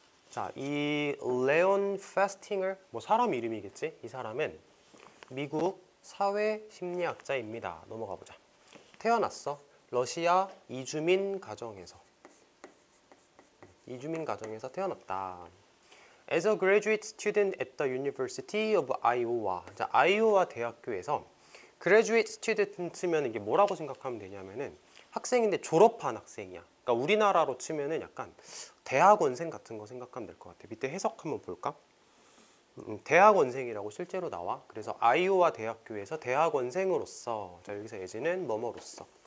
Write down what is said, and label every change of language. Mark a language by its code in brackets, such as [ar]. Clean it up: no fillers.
[ko] 자, 이 레온 페스팅을 뭐 사람 이름이겠지? 이 사람은 미국 사회 심리학자입니다. 넘어가 보자. 태어났어. 러시아 이주민 가정에서 태어났다. [en] As a graduate student at the University of Iowa. [ko] 자, 아이오와 대학교에서 [en] graduate student [ko] 면 이게 뭐라고 생각하면 되냐면은 학생인데 졸업한 학생이야. 그러니까 우리나라로 치면은 약간 대학원생 같은 거 생각하면 될것 같아. 밑에 해석 한번 볼까? 대학원생이라고 실제로 나와. 그래서 아이오와 대학교에서 대학원생으로서. 자, 여기서 as는 뭐뭐로서.